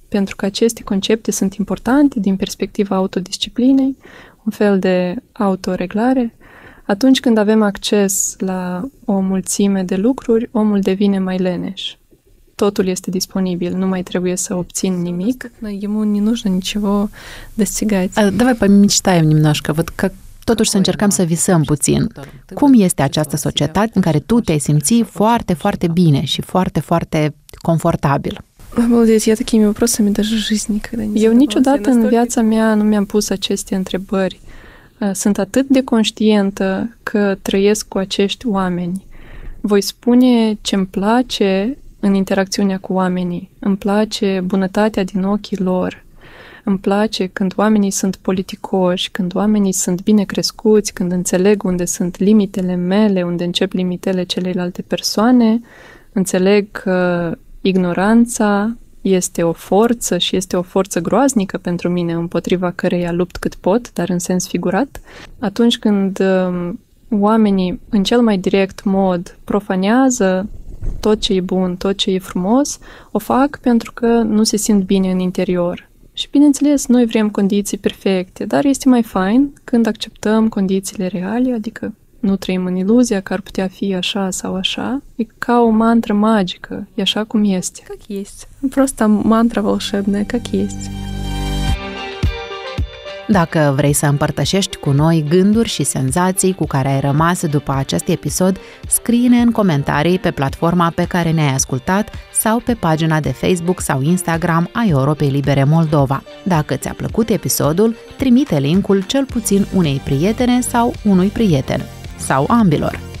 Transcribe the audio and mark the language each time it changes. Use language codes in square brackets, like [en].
[ro] Pentru că aceste concepte sunt importante din perspectiva autodisciplinei, un fel de autoreglare. Atunci când avem acces la o mulțime de lucruri, omul devine mai leneș. Totul este disponibil, nu mai trebuie să obțin nimic. [ru] Ему не нужно ничего достигать. Давай помечтаем немножко. Вот как [ro] totuși să încercăm să visăm puțin. Cum este această societate în care tu te-ai simți foarte, foarte bine și foarte, foarte confortabil? [ru] Обалдеть, я такими вопросами даже жизнь никогда не. [ro] Eu niciodată în viața mea nu mi-am pus aceste întrebări. Sunt atât de conștientă că trăiesc cu acești oameni. Voi spune ce-mi place în interacțiunea cu oamenii. Îmi place bunătatea din ochii lor. Îmi place când oamenii sunt politicoși, când oamenii sunt bine crescuți, când înțeleg unde sunt limitele mele, unde încep limitele celelalte persoane. Înțeleg că ignoranța este o forță și este o forță groaznică pentru mine, împotriva căreia lupt cât pot, dar în sens figurat. Atunci când oamenii, în cel mai direct mod, profanează tot ce e bun, tot ce e frumos, o fac pentru că nu se simt bine în interior. Și bineînțeles, noi vrem condiții perfecte, dar este mai fain când acceptăm condițiile reale, adică nu trăim în iluzia că ar putea fi așa sau așa. E ca o mantră magică, e așa cum este. [ru] Как есть. Просто мантра волшебная, как есть. [ro] Dacă vrei să împărtășești cu noi gânduri și senzații cu care ai rămas după acest episod, scrie-ne în comentarii pe platforma pe care ne-ai ascultat sau pe pagina de Facebook sau Instagram a Europei Libere Moldova. Dacă ți-a plăcut episodul, trimite linkul cel puțin unei prietene sau unui prieten, sau ambilor.